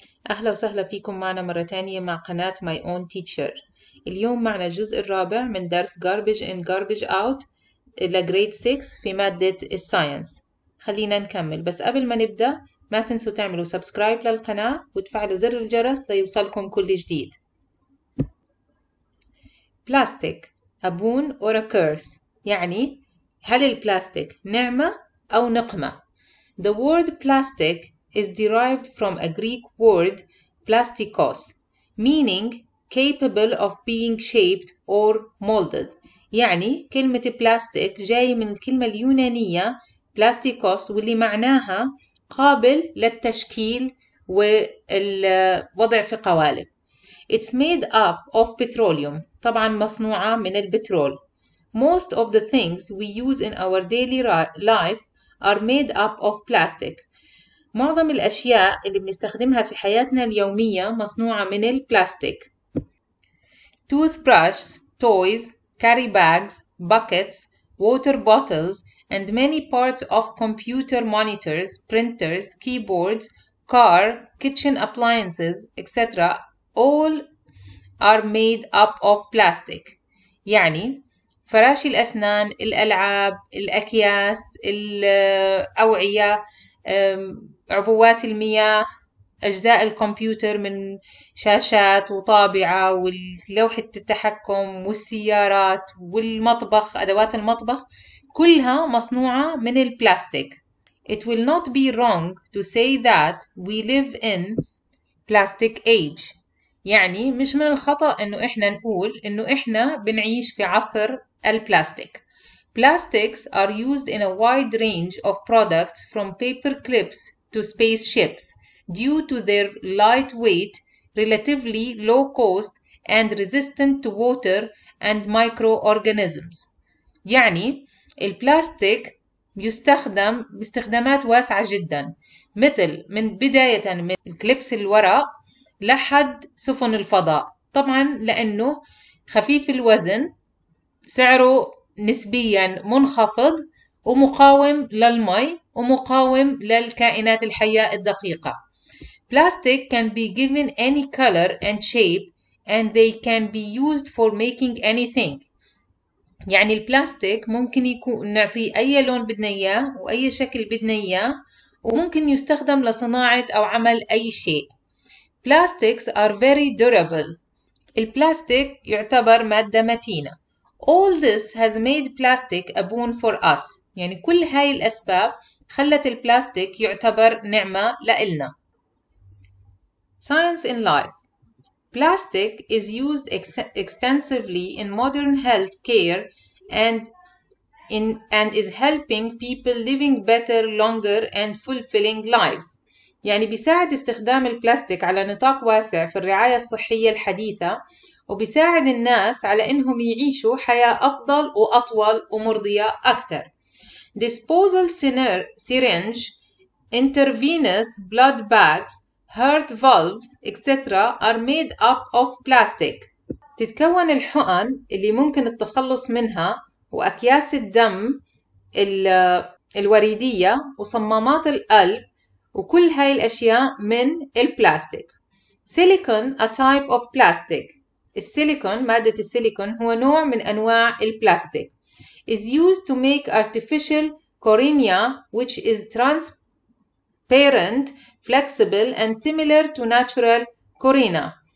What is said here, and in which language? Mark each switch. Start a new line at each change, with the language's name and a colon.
Arabic: أهلا وسهلا فيكم معنا مرة تانية مع قناة My Own Teacher. اليوم معنا الجزء الرابع من درس Garbage In Garbage Out إلى Grade 6 في مادة Science. خلينا نكمل، بس قبل ما نبدأ ما تنسوا تعملوا سبسكرايب للقناة وتفعلوا زر الجرس ليوصلكم كل جديد. بلاستيك أبون أورا كيرس، يعني هل البلاستيك نعمة أو نقمة؟
English: The word plastic is derived from a Greek word plastikos, meaning capable of being shaped or molded.
Arabic: يعني كلمة plastic جاي من الكلمة اليونانية plastikos واللي معناها قابل للتشكيل والوضع في قوالب.
English: It's made up of petroleum.
Arabic: طبعا مصنوعة من البترول.
English: Most of the things we use in our daily life are made up of plastic.
Arabic: معظم الأشياء اللي بنستخدمها في حياتنا اليومية مصنوعة من البلاستيك.
English: Toothbrushes, toys, carry bags, buckets, water bottles, and many parts of computer monitors, printers, keyboards, car, kitchen appliances, etc. all are made up of plastic.
Arabic: يعني فراشي الأسنان، الألعاب، الأكياس، الأوعية، عبوات المياه، أجزاء الكمبيوتر من شاشات وطابعة ولوحة التحكم والسيارات والمطبخ، أدوات المطبخ كلها مصنوعة من البلاستيك.
English: It will not be wrong to say that we live in plastic age.
Arabic: يعني مش من الخطأ إنه إحنا نقول إنه إحنا بنعيش في عصر البلاستيك.
English: Plastics are used in a wide range of products from paper clips to spaceships due to their light weight, relatively low cost, and resistant to water and microorganisms.
Arabic: يعني البلاستيك يستخدم باستخدامات واسعة جدا، مثل من بداية من الكليبس الورق لحد سفن الفضاء، طبعا لأنه خفيف الوزن، سعره نسبيا منخفض ومقاوم للماء ومقاوم للكائنات الحية الدقيقة.
English: Plastic can be given any color and shape and they can be used for making anything.
Arabic: يعني البلاستيك ممكن يكون نعطيه أي لون بدنا إياه وأي شكل بدنا إياه وممكن يستخدم لصناعة أو عمل أي شيء.
English: Plastics are very durable.
Arabic: البلاستيك يعتبر مادة متينة.
English: All this has made plastic a boon for us.
Arabic: يعني كل هاي الأسباب خلت البلاستيك يعتبر نعمة لإلنا.
English: Science in life. Plastic is used extensively in modern health care and is helping people living better, longer and fulfilling lives.
Arabic: يعني بيساعد استخدام البلاستيك على نطاق واسع في الرعاية الصحية الحديثة وبيساعد الناس على إنهم يعيشوا حياة أفضل وأطول ومرضية أكتر.
English: Disposal syringe, intravenous blood bags, heart valves, etc. are made up of plastic.
Arabic: تتكون الحقن اللي ممكن التخلص منها وأكياس الدم الوريدية وصمامات القلب وكل هاي الأشياء من البلاستيك.
English: Silicon, a type of plastic.
Arabic: السيليكون، مادة السيليكون هو نوع من أنواع البلاستيك.
English: is used to make artificial cornea which is transparent, flexible and similar to natural cornea.